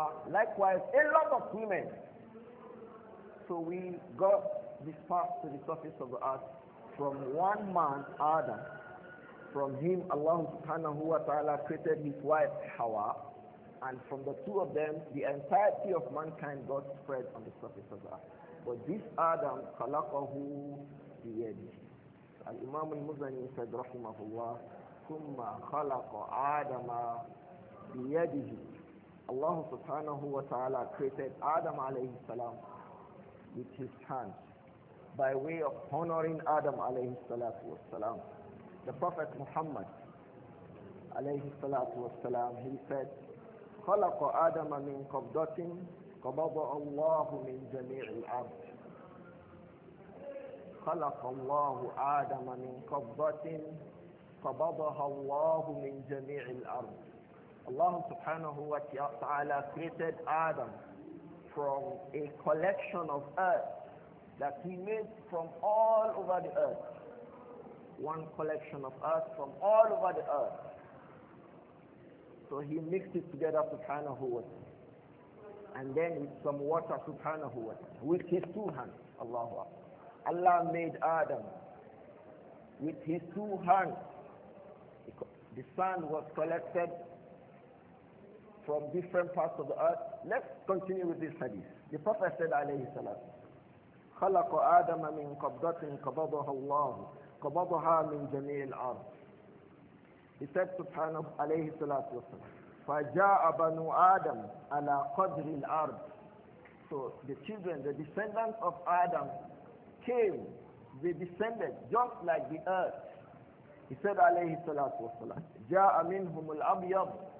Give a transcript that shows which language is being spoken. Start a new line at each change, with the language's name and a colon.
English: Likewise, a lot of women. So we got this path to the surface of the earth from one man, Adam. From him, Allah subhanahu wa ta'ala created his wife, Hawa. And from the two of them, the entirety of mankind got spread on the surface of the earth. But this Adam, khalaqahu,
Arabic: بيده. الإمام المزني سيد رحمه الله ثم خلق آدم بيده.
English: الله سبحانه وتعالى created Adam عليه السلام with his hands by way of honoring Adam عليه السلام.
Arabic: The Prophet Muhammad عليه السلام he said خلق آدم من قبضة قبض الله من جميع الأرض. خلق الله آدم من قبضة قبضها الله من جميع الأرض.
English: Allah subhanahu wa ta'ala created Adam from a collection of earth that he made from all over the earth. One collection of earth from all over the earth. So he mixed it together subhanahu wa ta'ala. And then with some water subhanahu wa ta'ala. With his two hands, Allahu Akbar. Allah made Adam with his two hands. The sand was collected from different parts of the earth. Let's continue with this hadith.
Arabic: The Prophet said alayhi salam, خَلَقَ آدَمَ مِنْ قَبْضَةٍ قَبَضَهَا اللَّهُ قَبَضَهَا مِنْ جَمِيعِ الْأَرْضِ.
English: He said subhanahu alayhi salatu wa salam, فَجَاءَ بَنُوا آدَمْ عَلَى قَدْرِ الْأَرْضِ. So the children, the descendants of Adam came, they descended just like the earth. He said alayhi salatu wa salam, جَاءَ مِنْهُمُ الْأَبْيَضِ.